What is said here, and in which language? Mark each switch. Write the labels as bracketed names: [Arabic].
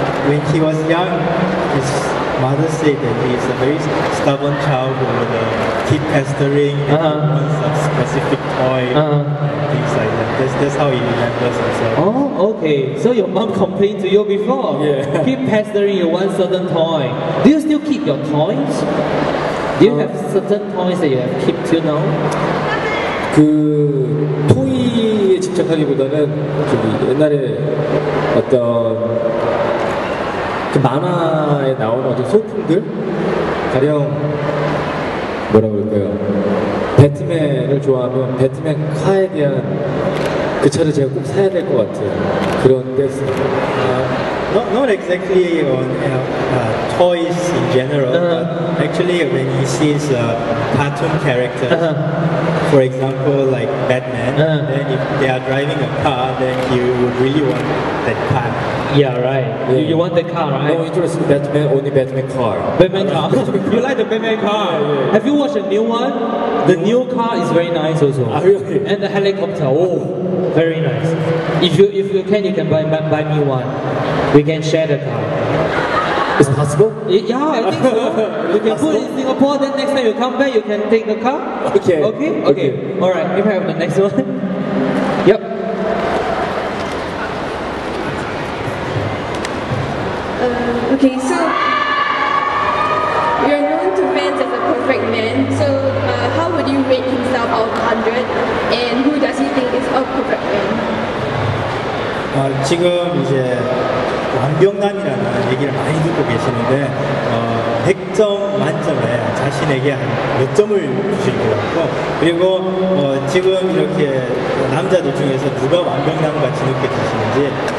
[English] When he was young, his mother said that he is a very stubborn child who would keep pestering and wants a specific toy. Things like that. That's how he remembers himself. Oh, Okay, so your mom complained to you before. Yeah. Keep pestering you one certain toy. Do you still keep your toys? Do you have certain toys that you have kept till now? [Korean] 그 토이에 집착하기보다는 저기 옛날에 어떤 그 만화에 나오는 어떤 소품들? 가령 뭐라 그럴까요? 배트맨을 좋아하면 배트맨 카에 대한 그 차를 제가 꼭 사야 될 것 같아요. 그런데 [English] Not exactly on toys in general, but actually when he sees cartoon characters, for example, like Batman, then if they are driving a car, then you would really want that car. Yeah, right. Yeah. You want the car, right? No interest in Batman, only Batman car. Batman car? You like the Batman car? Yeah, yeah. Have you watched a new one? The new car is very nice also. Ah, really? And the helicopter, oh, very nice. If you can buy me one. We can share the car. Is it possible? Yeah, I think so. You can put it in Singapore, then next time you come back, you can take the car. Okay. Alright, if I have the next one. Yep. Okay, so you're known to fans as a perfect man. So how would you rate himself out of 100? And who does he think is a perfect man? [Korean] 지금 이제 완벽남이라는 얘기를 많이 듣고 계시는데 100점 만점에 자신에게 한 몇 점을 주실 것 같고 그리고 지금 이렇게 남자들 중에서 누가 완벽남같이 느껴지시는지